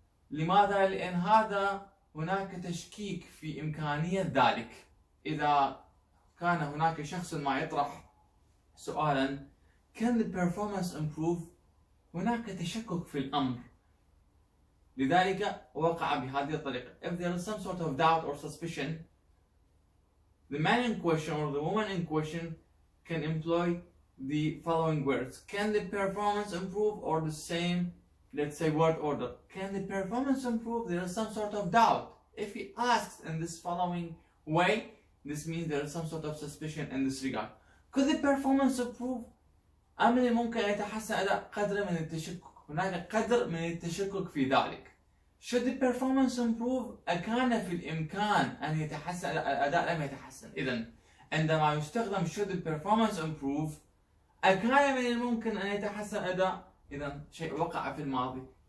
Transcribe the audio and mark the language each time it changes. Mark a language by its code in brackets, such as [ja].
[ar] لماذا؟ لأن هذا هناك تشكيك في إمكانية ذلك. إذا كان هناك شخص ما يطرح سؤالا [en] Can the performance improve؟ [ar] هناك تشكك في الأمر، لذلك وقع بهذه الطريقة. [en] If there is some sort of doubt or suspicion, the man in question or the woman in question can employ the following words. Can the performance improve? Or the same, let's say, word order. Can the performance improve? There is some sort of doubt. If he asks in this following way, this means there is some sort of suspicion in this regard. Could the performance improve? [ar] أم من الممكن أن يتحسن أداء قدر من التشكك؟ هناك قدر من التشكك في ذلك. [en] Should the performance improve؟ [ar] أكان في الإمكان أن يتحسن الأداء؟ لم يتحسن. إذن عندما يستخدم [en] should the performance improve، [ar] أكان من الممكن أن يتحسن الأداء؟ إذن شيء وقع في الماضي.